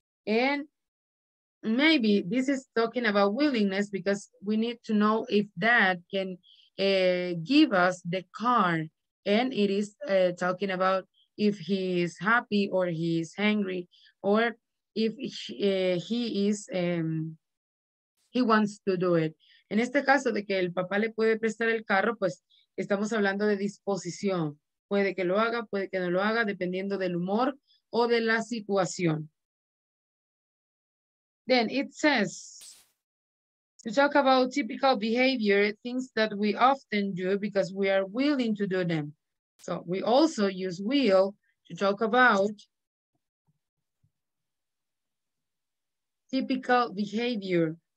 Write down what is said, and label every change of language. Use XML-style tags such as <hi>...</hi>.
<en>And maybe this is talking about willingness, because we need to know if that can give us the car. And it is talking about if he is happy or he is angry, or if he wants to do it.</en> <es>En este caso de que el papá le puede prestar el carro, pues estamos hablando de disposición. Puede que lo haga, puede que no lo haga, dependiendo del humor o de la situación.</es> <en>Then it says, to talk about typical behavior, things that we often do because we are willing to do them. So we also use will to talk about typical behavior.</en>